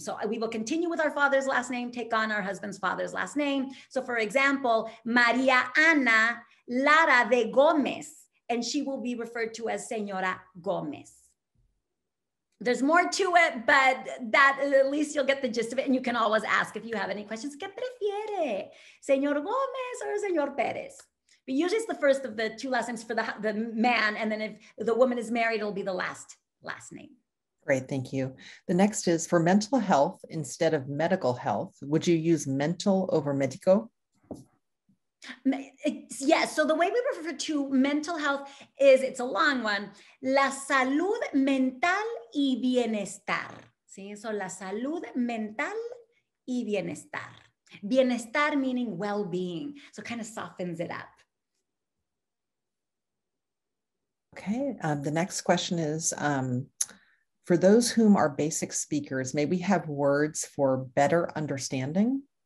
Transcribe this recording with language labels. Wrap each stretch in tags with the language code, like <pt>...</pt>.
<en>So we will continue with our father's last name, take on our husband's father's last name. So for example, Maria Ana Lara de Gomez, and she will be referred to as Señora Gomez. There's more to it, but that at least you'll get the gist of it. And you can always ask if you have any questions.</en> <es>¿Qué prefiere? ¿Señor Gómez</es> <en>or</en> <es>Señor Pérez?</es> <en>But usually it's the first of the two last names for the man. And then if the woman is married, it'll be the last name. Great, thank you. The next is, for mental health instead of medical health, would you use mental over medico? Yes. So the way we refer to mental health is, it's a long one,</en> <es>la salud mental y bienestar. ¿Sí?</es> <en>So</en> <es>la salud mental y bienestar.</es> <en>Bienestar meaning well-being. So it kind of softens it up. Okay. The next question is, for those whom are basic speakers, may we have words for better understanding?</en>